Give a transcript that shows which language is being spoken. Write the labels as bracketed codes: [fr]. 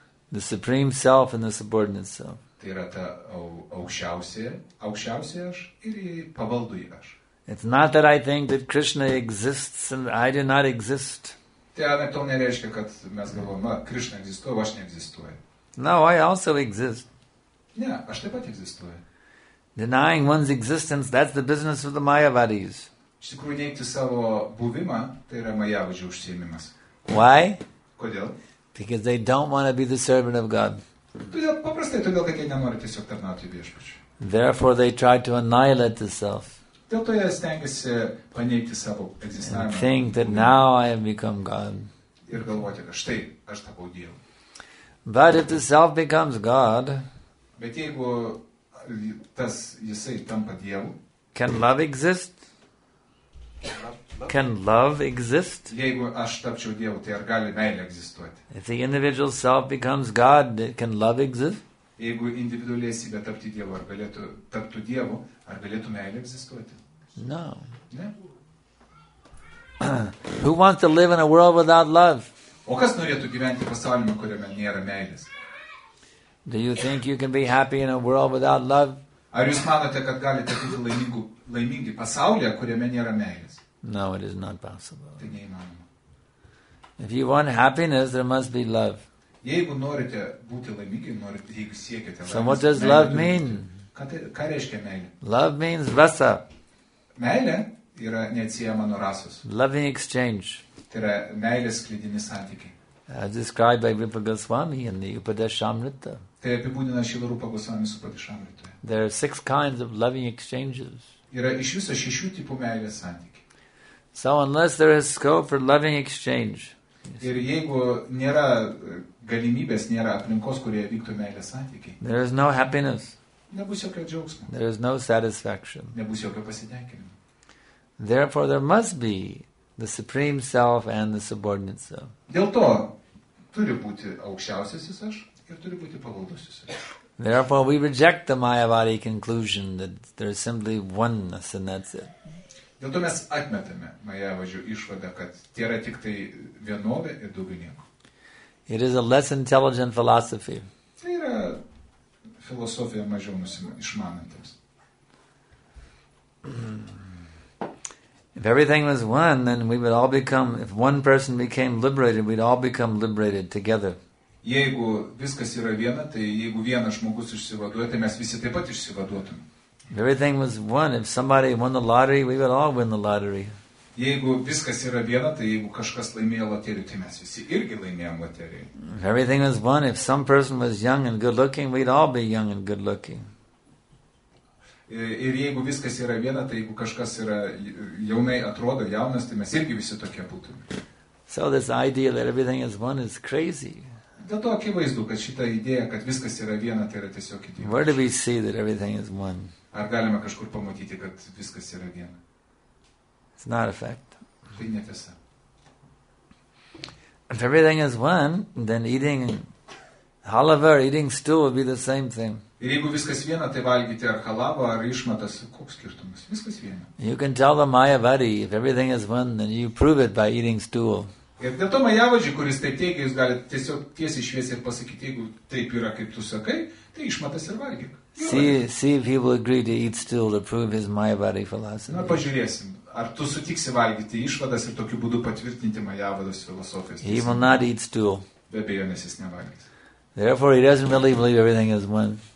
[en] The supreme self and the subordinate self. [lt] Tai yra ta aukščiausia aš ir į pavaldų į aš. [en] It's not that I think that Krishna exists and I do not exist. [lt] Tai anaktol nereiškia, kad mes galvojame, Krishna egzistuoja, o aš neegzistuoju. [en] No, I also exist. [lt] Ne, aš taip pat egzistuoju. [en] Denying one's existence, that's the business of the Mayavadis. [lt] Iš tikrųjų, neigti savo buvimą, tai yra Mayavadžių užsiėmimas. [en] Why? [lt] Kodėl? [en] Because they don't want to be the servant of God. [lt] Todėl, paprastai, todėl, kad jie nenori tiesiog tarnauti viešpačiui. [en] Therefore, they try to annihilate the self. [lt] Dėl to jie stengiasi paneigti savo egzistavimą. [en] And think that now I have become God. [lt] Ir galvoti, kad štai, aš tapau Dievu. [en] But if the self becomes God, [lt] bet jeigu tas jisai tampa Dievu, [en] can love exist? Can love exist? [lt] Jeigu aš tapčiau Dievu, tai ar gali meilė egzistuoti? [en] If the individual self becomes God, can love exist? [lt] Jeigu individuali esybė tapti Dievu, ar galėtų taptų Dievu, ar galėtų meilė egzistuoti? [en] No. [lt] Ne? [en] Who wants to live in a world without love? [lt] O kas norėtų gyventi pasaulyje, kuriame nėra meilės? [en] Do you think you can be happy in a world without love? [lt] Ar jūs manote, kad galite būti laimingi pasaulyje, kuriame nėra meilės? [en] No, it is not possible. [lt] Tai neįmanoma. [en] If you want happiness, there must be love. [lt] Jeigu norite būti laimingi, norite, jeigu siekiate laimės, [en] so what does love mean? [lt] Ką reiškia meilė? [en] Love means rasa. [lt] Meilė yra neatsiejama nuo rasos. [en] Loving exchange. [lt] Tai yra meilės sklidini santykiai. [en] As described by Rupa Goswami in the Upadeshamrita. [lt] Tai apibūdina Šila Rupa Goswami su Upadeshamrita. [en] There are six kinds of loving exchanges. [lt] Yra iš viso šešių tipų meilės santykiai. [en] So unless there is scope for loving exchange. [lt] Ir jeigu nėra galimybės, nėra aplinkos, kurioje vyktų meilės santykiai. [en] There is no happiness. [lt] Nebus jokio džiaugsmo. [en] There is no satisfaction. [lt] Nebus jokio pasitenkinimo. [en] Therefore there must be the Supreme Self and the subordinate self. [lt] Dėl to turi būti aukščiausiasis aš ir turi būti pavaldusis aš. [en] Therefore, we reject the Mayavadi conclusion that there is simply oneness and that's it. [lt] Dėl to mes atmetame Mayavadžių išvadą, kad yra tik tai vienovė ir daugiau nieko. [en] It is a less intelligent philosophy. [lt] Tai yra filosofija mažiau išmanantiems. [en] If everything was one, then we would all become, if one person became liberated, we'd all become liberated together. [lt] Jeigu viskas yra viena, tai jeigu vienas žmogus išsivaduoja, tai mes visi taip pat išsivaduotum. [en] If everything was one, if somebody won the lottery, we would all win the lottery. [lt] Jeigu viskas yra viena, tai jeigu kažkas laimėjo loteriją, tai mes visi irgi laimėjom loteriją. [en] If everything was one, if some person was young and good looking, we'd all be young and good looking. [lt] Ir jeigu viskas yra viena, tai jeigu kažkas yra jaunai atrodo, jaunas, tai mes irgi visi tokie būtume. [en] So this idea that everything is one is crazy. [lt] Dėl to akivaizdu, kad šita idėja, kad viskas yra viena, tai yra tiesiog idėja. [en] Where do we see that everything is one? [lt] Ar galima kažkur pamatyti, kad viskas yra viena? [en] It's not a fact. [lt] Tai netiesa. [en] If everything is one, then eating halava or eating stew would be the same thing. [lt] Ir jeigu viskas viena, tai valgyti ar halavą, ar išmatas, koks skirtumas? Viskas viena. [en] You can tell the Mayavadi, if everything is one, then you prove it by eating stool. [lt] Ir dėl to Mayavadi, kuris taip teigia, jūs galite tiesiog tiesiai šviesiai pasakyti, jeigu taip yra, kaip tu sakai, tai išmatas ir valgyk. [en] See if he will agree to eat stool to prove his Mayavadi philosophy. [lt] Na, pažiūrėsim. Ar tu sutiksi valgyti išvadas ir tokiu būdu patvirtinti Mayavados filosofijos? [en] He will not eat stool. [lt] Be abejo, nes jis nevalgys. [en] Therefore, he doesn't really believe everything is one.